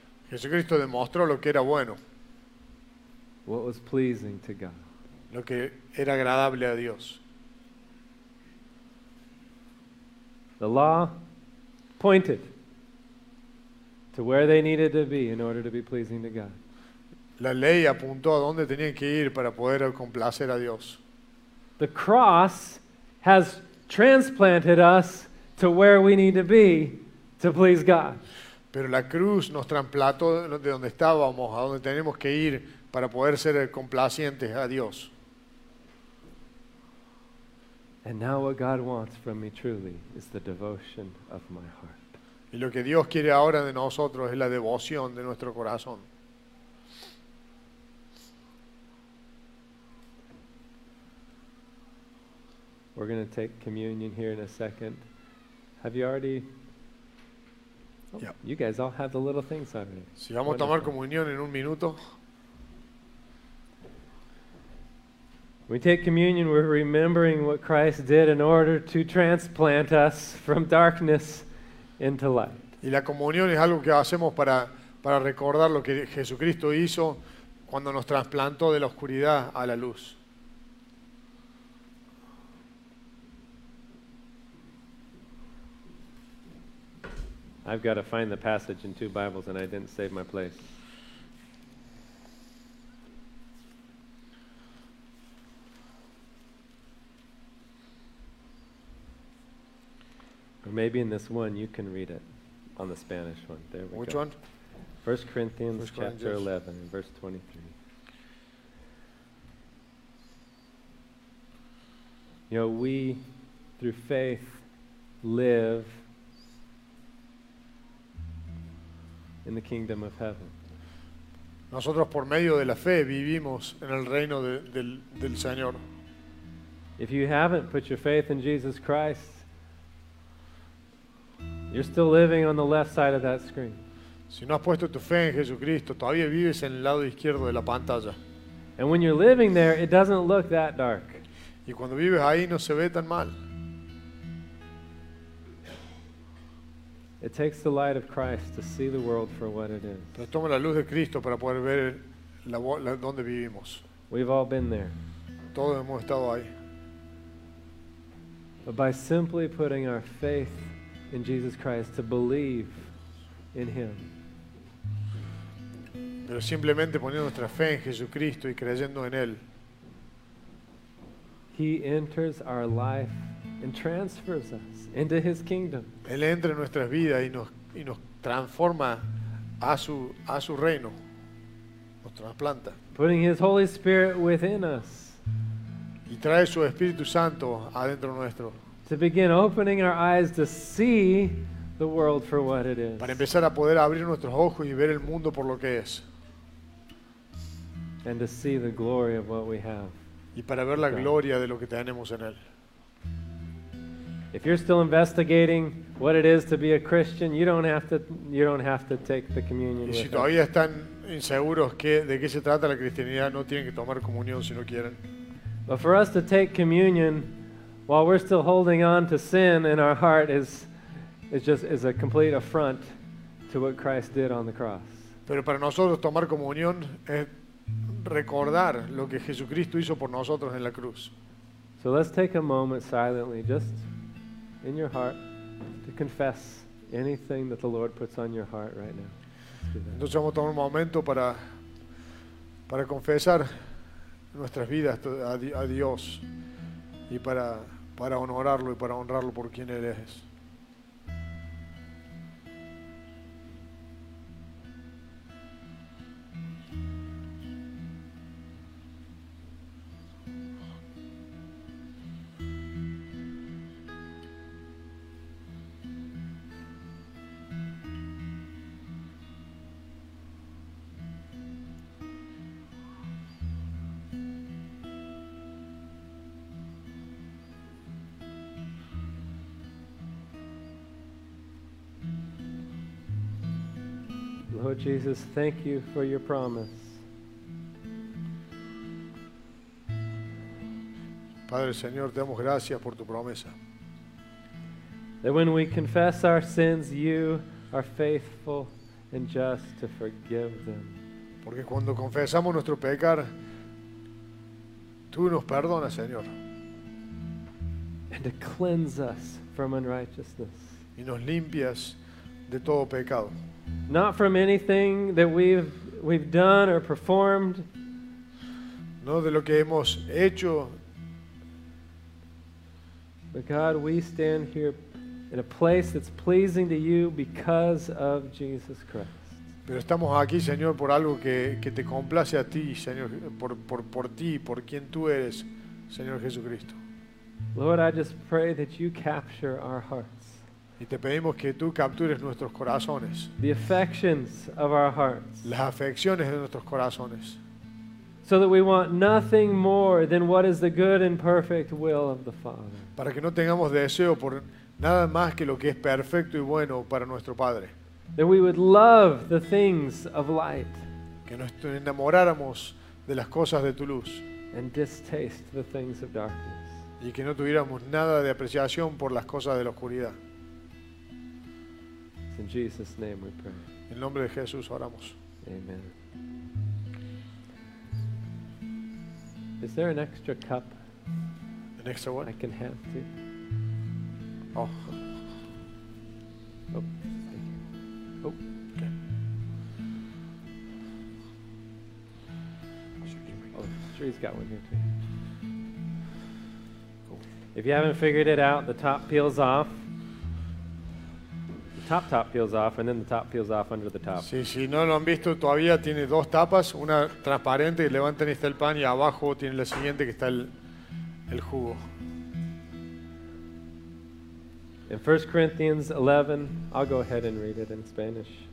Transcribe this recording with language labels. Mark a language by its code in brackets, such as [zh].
[es] Jesucristo demostró lo que era bueno. [en] What was pleasing to God. [es] Lo que era agradable a Dios. [en] The law pointed to where they needed to be in order to be pleasing to God. [es] La ley apuntó a dónde tenían que ir para poder complacer a Dios. [en] The cross has transplanted us to where we need to be to please God. [es] Pero la cruz nos trasplantó de donde estábamos a donde tenemos que ir para poder ser complacientes a Dios. [en] And now what God wants from me truly is the devotion of my heart. [es] Y lo que Dios quiere ahora de nosotros es la devoción de nuestro corazón. [en] We're going to take communion here in a second. Have you already? Oh, yeah. You guys all have the little things on me. [es] Si vamos a tomar comunión en un minuto. [en] We take communion, we're remembering what Christ did in order to transplant us from darkness into light. [es] Y la comunión es algo que hacemos para recordar lo que Jesucristo hizo cuando nos trasplantó de la oscuridad a la luz. [en] I've got to find the passage in two Bibles and I didn't save my place. Or maybe in this one you can read it on the Spanish one. There we Which go. Which one? 1 Corinthians chapter 11, and verse 23. You know, we, through faith, live in the kingdom of heaven. [es] Nosotros por medio de la fe vivimos en el reino del Señor. [en] If you haven't put your faith in Jesus Christ, you're still living on the left side of that screen. [es] Si no has puesto tu fe en Jesucristo, todavía vives en el lado izquierdo de la pantalla. [en] And when you're living there, it doesn't look that dark. [es] Y cuando vives ahí, no se ve tan mal. [en] It takes the light of Christ to see the world for what it is. [es] Entonces toma la luz de Cristo para poder ver la donde vivimos. [en] We've all been there. [es] Todos hemos estado ahí. [en] But by simply putting our faith in Jesus Christ, to believe in Him. [es] Pero simplemente poniendo nuestra fe en Jesucristo y creyendo en Él. [en] He enters our life and transfers us into His kingdom. [es] Él entra en nuestras vidas y nos transforma a su reino. Nos trasplanta. [en] Putting His Holy Spirit within us. [es] Y trae su Espíritu Santo adentro nuestro. [en] To begin opening our eyes to see the world for what it is. [es] Para empezar a poder abrir nuestros ojos y ver el mundo por lo que es. [en] And to see the glory of what we have. [es] Y para ver la gloria de lo que tenemos en él. [en] If you're still investigating what it is to be a Christian, you don't have to take the communion. [es] Y si todavía están inseguros de qué se trata la cristianidad, no tienen que tomar comunión si no quieren. [en] But for us to take communion while we're still holding on to sin in our heart is a complete affront to what Christ did on the cross. [es] Pero para nosotros tomar comunión es recordar lo que Jesucristo hizo por nosotros en la cruz. [en] So let's take a moment silently, just in your heart, to confess anything that the Lord puts on your heart right now. [es] Entonces vamos a tomar un momento para confesar nuestras vidas a Dios y para honorarlo y para honrarlo por quien Él es. [en] Lord Jesus, thank you for your promise. [es] Padre Señor, te damos gracias por tu promesa. [en] That when we confess our sins, you are faithful and just to forgive them. [es] Porque cuando confesamos nuestro pecar, tú nos perdonas, Señor. [en] And to cleanse us from unrighteousness. [es] Y nos limpias de todo pecado. [en] Not from anything that we've done or performed. [es] No de lo que hemos hecho. [en] But God, we stand here in a place that's pleasing to you because of Jesus Christ. [es] Pero estamos aquí, Señor, por algo que te complace a ti, Señor, por ti, por quien tú eres, Señor Jesucristo. [en] Lord, I just pray that you capture our hearts. [es] Y te pedimos que tú captures nuestros corazones. [en] The affections of our hearts. [es] Las afecciones de nuestros corazones. [en] So that we want nothing more than what is the good and perfect will of the Father. [es] Para que no tengamos deseo por nada más que lo que es perfecto y bueno para nuestro Padre. [en] That we would love the things of light. [es] Que nos enamoráramos de las cosas de tu luz. [en] And distaste the things of darkness. [es] Y que no tuviéramos nada de apreciación por las cosas de la oscuridad. [en] In Jesus' name we pray. [es] En nombre de Jesús oramos. [en] Amen. Is there an extra cup? An extra what? I can have to. Oh. Oh. Thank you. Oh. Okay. Oh, Sheree's got one here too. Cool. If you haven't figured it out, the top peels off. Top peels off, and then the top peels off under the top. [es] Sí, no lo han visto todavía, tiene dos tapas, una transparente que levantan y está el pan, y abajo tiene la siguiente que está el jugo. [en] In 1 Corinthians 11, I'll go ahead and read it in Spanish.